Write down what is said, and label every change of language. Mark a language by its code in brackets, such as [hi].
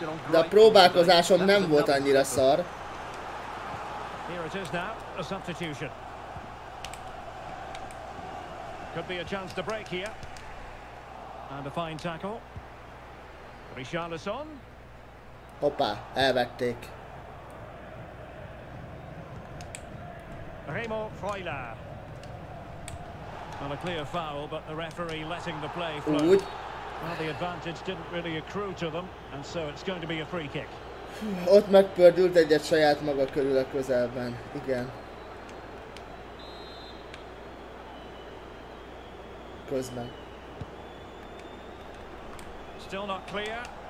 [hu] De a próbálkozásom nem volt annyira szar. [en] Here it is now, a substitution. Could be a chance to break here. And a fine tackle. Richarlison. [hu] Hoppá, elvették. Remo Freuler. [en] And a clear foul, but the referee letting the play flow. [hu] Úgy. [en] Well, the advantage didn't really accrue to them, and so it's going to be a free kick. [hu] Ott megpördült egyet saját maga körül a közelben. Igen. Közben. [en] Still not clear.